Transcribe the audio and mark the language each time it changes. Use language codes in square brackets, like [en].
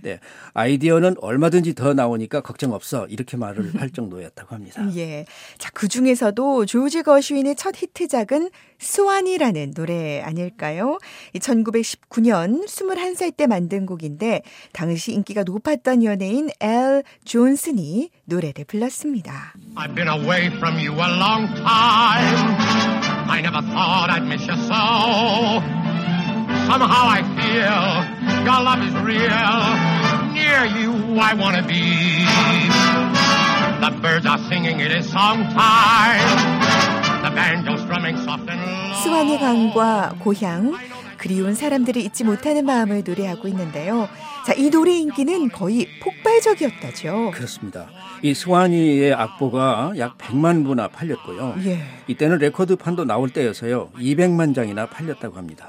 [ko] 네, 아이디어는 얼마든지 더 나오니까 걱정 없어 이렇게 말을 할 정도였다고 합니다. 예, 자 그중에서도 조지 거슈인의 첫 히트작은 스완이라는 노래 아닐까요? 1919년 21살 때 만든 곡인데 당시 인기가 높았던 연예인 엘 존슨이 노래를 불렀습니다. [en] I've been away from you a long time. I never thought I'd miss you so. Somehow I feel your love is real. Near you I wanna be. The birds are singing, it is song time. The banjo's drumming soft and low. [ko] 스완의 강과 고향, 그리운 사람들이 잊지 못하는 마음을 노래하고 있는데요. 자, 이 노래 인기는 거의 폭발적이었다죠. 그렇습니다. 이 스완이의 악보가 약 100만 부나 팔렸고요. 예. 이때는 레코드판도 나올 때여서요. 200만 장이나 팔렸다고 합니다.